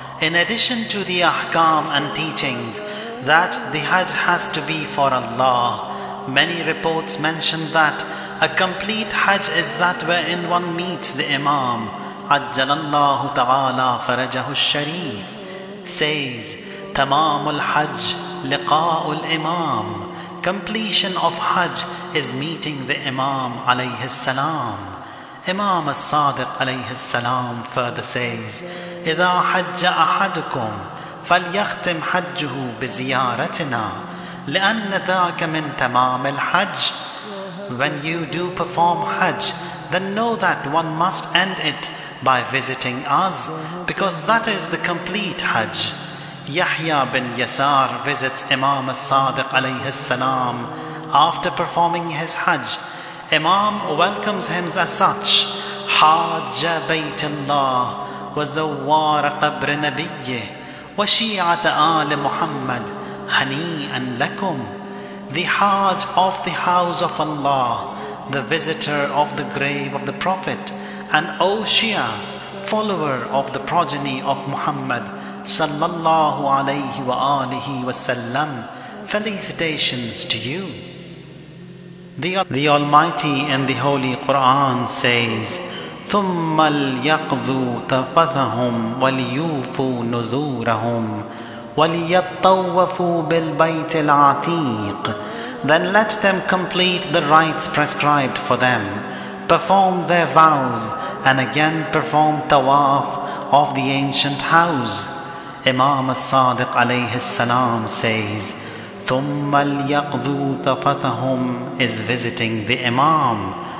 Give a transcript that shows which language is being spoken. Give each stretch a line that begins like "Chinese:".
English: In addition to the ahkam and teachings that the Hajj has to be for Allah, many reports mention that a complete Hajj is that wherein one meets the Imam, Ajjalallahu Ta'ala Farajahu Sharif, says,
Arabic: Tamamul Hajj Liqa'ul Imam.
English: Completion of Hajj is meeting the Imam alayhi salam. Imam As-Sadiq alayhi salam further says,
Arabic: إِذَا حَجَّ أَحَدُكُمْ فَلْيَخْتِمْ حَجُّهُ بِزِيَارَتِنَا لِأَنَّ ذَاكَ مِنْ تَمَامِ الْحَجِّ.
English: When you do perform Hajj, then know that one must end it by visiting us, because that is the complete Hajj. Yahya bin Yasar visits Imam As-Sadiq alayhi salam after performing his Hajj. Imam welcomes him as such,
Arabic: حَاجَّ بَيْتِ اللَّهِ وَزَوَّارَ قَبْرِ نَبِيِّهِ وَشِيعَةَ آلِ مُحَمَّدِ هَنِيًا لَكُمْ.
English: The Hajj of the house of Allah, the visitor of the grave of the Prophet, and O Shia, follower of the progeny of Muhammad sallallahu alayhi wa alihi wa sallam, felicitations to you. The Almighty in the Holy Quran says,
Arabic: ثُمَّ الْيَقْذُوا تَفَثَهُمْ وَلْيُوفُوا نُذُورَهُمْ وَلْيَطَّوَّفُوا بِالْبَيْتِ الْعَتِيقِ.
English: Then let them complete the rites prescribed for them, perform their vows, and again perform tawaf of the ancient house. Imam As-Sadiq alayhi salam says,
Arabic: ثُمَّ الْيَقْذُوا تَفَثَهُمْ
English: is visiting the Imam.